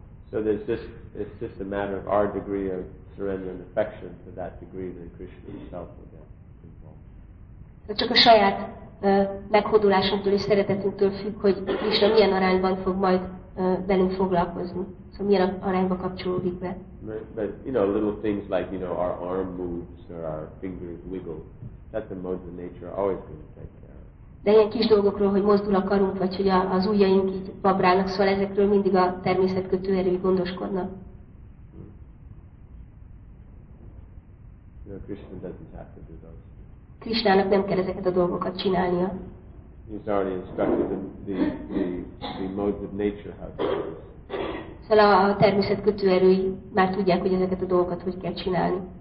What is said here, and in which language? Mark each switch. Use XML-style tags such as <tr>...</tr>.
<en>So there's just, it's just a matter of our degree of surrender and affection to that degree that Krishna Himself will get involved.</en> <hu>Csak a saját meghódulásunktól és szeretetünktől függ, hogy Krishna milyen arányban fog majd velünk foglalkozni. Szóval milyen arányba kapcsolódik be.</hu> <en>But, you know, little things like, you know, our arm moves or our fingers wiggle, that's the mode of nature always going to take care of.</en> <hu>De ilyen kis dolgokról, hogy mozdul a karunk, vagy hogy az ujjaink így babrálnak, szóval ezekről mindig a természetkötő erői gondoskodnak.</hu> <en>You know, Krishna doesn't have to do those.</en> <hu>Krishnának nem kell ezeket a dolgokat csinálnia.</hu> <en>He's already instructed the modes of nature how to do this.</en> <hu>Szóval a természetkötő erői már tudják, hogy ezeket a dolgokat hogy kell csinálni.</hu>